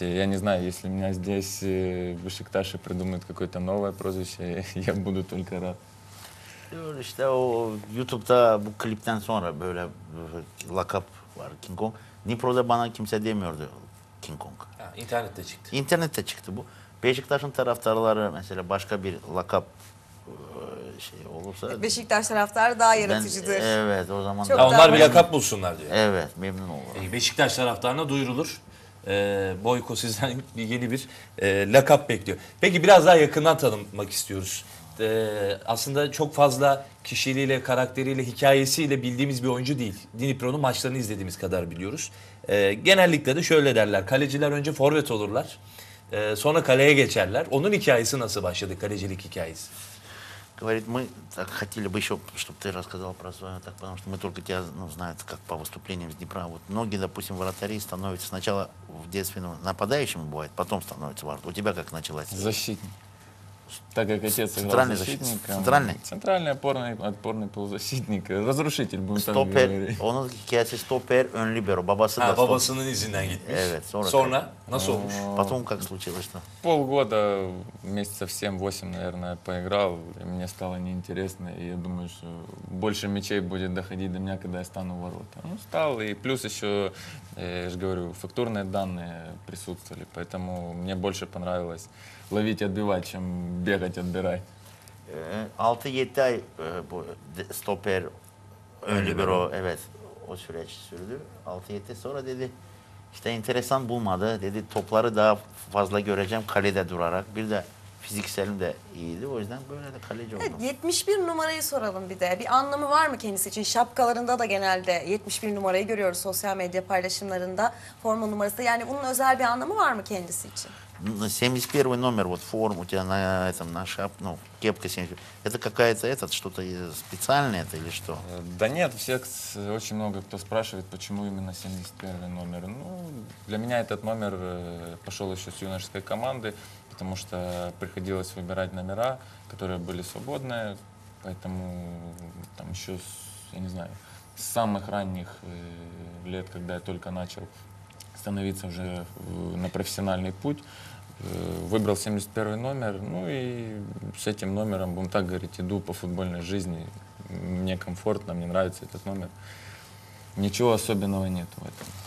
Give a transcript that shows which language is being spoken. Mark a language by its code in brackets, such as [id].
[ru] Я не знаю, если меня здесь Бешикташи придумают какое-то новое прозвище, я буду только рад. [tr] İşte o YouTube'da bu klipten sonra böyle lakap var King Kong. Nipro'da bana kimse demiyordu King Kong. Ha, internette çıktı. İnternette çıktı bu. Beşiktaş'ın taraftarları mesela başka bir lakap şey olursa... Beşiktaş taraftarı daha yaratıcıdır. Ben, evet o zaman... Çok onlar bir lakap bulsunlar diyor. Evet memnun olurum. Beşiktaş taraftarına duyurulur. Boyko sizden yeni bir lakap bekliyor. Peki biraz daha yakından tanımak istiyoruz. Aslında çok fazla kişiliğiyle, karakteriyle, hikayesiyle bildiğimiz bir oyuncu değil. Dinipro'nun maçlarını izlediğimiz kadar biliyoruz. Genellikle de şöyle derler. Kaleciler önce forvet olurlar. Sonra kaleye geçerler. Onun hikayesi nasıl başladı? Kalecilik hikayesi. [ru] Говорит, мы так хотели бы еще, чтобы ты рассказал про свое, так, потому что мы только тебя, ну, знают как по выступлениям с Днепра. Вот многие, допустим, вратари становятся сначала в детстве нападающим бывает, потом становятся вратарем. У тебя как началось? Защитник. Так как отец играл центральный защитник. Центральный? Центральный опорный полузащитник. Разрушитель, будем стопер, так говорить. [tr] Он хикаясь стопер, он либеро. Бабасы, а, бабасыны изиндан гитмиш. Evet, sonra? Nasıl olmuş? [ru] Потом как случилось-то? Полгода, месяцев 7-8, наверное, поиграл. И мне стало неинтересно. И я думаю, что больше мячей будет доходить до меня, когда я стану ворота. Ну, стал. И плюс еще, я же говорю, фактурные данные присутствовали. Поэтому мне больше понравилось ловить, отбивать, чем бегать, отбирать. [tr] 6-7 ay bu stoper ön libero, evet, o süreç sürdü. 6-7 sonra dedi, işte enteresan bulmadı, dedi topları daha fazla göreceğim kalede durarak. Bir de fizikselim de iyiydi, o yüzden böyle de kaleci oldum. Evet, 71 numarayı soralım bir de. Bir anlamı var mı kendisi için? Şapkalarında da genelde 71 numarayı görüyoruz sosyal medya paylaşımlarında. Forma numarası, yani bunun özel bir anlamı var mı kendisi için? [ru] 71 номер, вот форма у тебя на этом, на шап, ну, кепка 71. Это какая-то, этот, что-то специальное это или что? Да нет, всех очень много кто спрашивает, почему именно 71 номер. Ну, для меня этот номер пошел еще с юношеской команды, потому что приходилось выбирать номера, которые были свободные, поэтому там еще, с, я не знаю, с самых ранних лет, когда я только начал становиться уже на профессиональный путь, выбрал 71 номер, ну и с этим номером, будем так говорить, иду по футбольной жизни, мне комфортно, мне нравится этот номер, ничего особенного нет в этом.